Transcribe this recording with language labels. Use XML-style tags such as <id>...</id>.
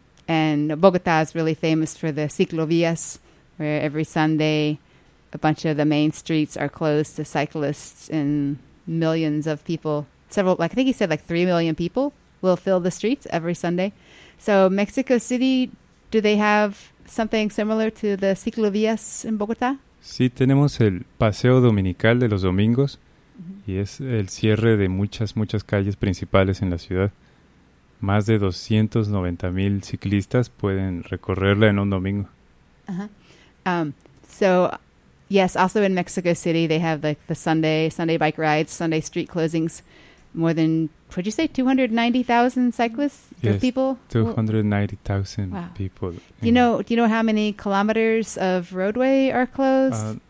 <en>And Bogota is really famous for the ciclovías, where every Sunday a bunch of the main streets are closed to cyclists and millions of people. I think he said like 3 million people will fill the streets every Sunday. So Mexico City, do they have something similar to the ciclovías in Bogota?</en> <es>Sí, tenemos el paseo dominical de los domingos y es el cierre de muchas, muchas calles principales en la ciudad. Más de 290,000 ciclistas pueden recorrerla en un domingo. Uh-huh.</es> <en>So, yes, also in Mexico City, they have like the Sunday bike rides, Sunday street closings. More than, what'd you say, 290,000 cyclists? Yes, people? 290,000 wow. People. Do you know how many kilometers of roadway are closed?</en>